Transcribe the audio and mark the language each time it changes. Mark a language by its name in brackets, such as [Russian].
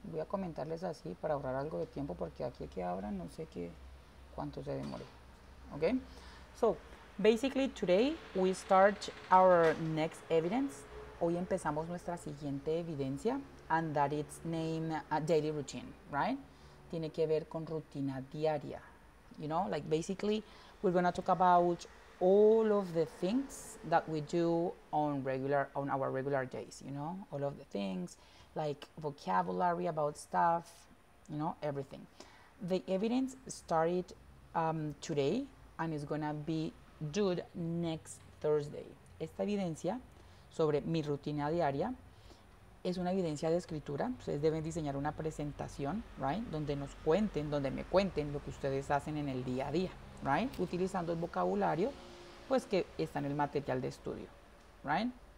[Spanish] Voy a comentarles así para ahorrar algo de tiempo porque aquí que ahora no sé qué cuánto se demore. [English] Okay? So, basically today we start our next evidence. [Spanish] Hoy empezamos nuestra siguiente evidencia [English] and that it's named a daily routine, right? [Spanish] Tiene que ver con rutina diaria. [English] You know, like basically we're going to talk about all of the things that we do on our regular days, you know, all of the things like vocabulary about stuff, you know, everything. The evidence started today and is gonna be due next Thursday. [Spanish] Esta evidencia sobre mi rutina diaria es una evidencia de escritura. Ustedes deben diseñar una presentación, right, donde nos cuenten, donde me cuenten lo que ustedes hacen en el día a día, right, utilizando el vocabulario pues que está en el material de estudio, right?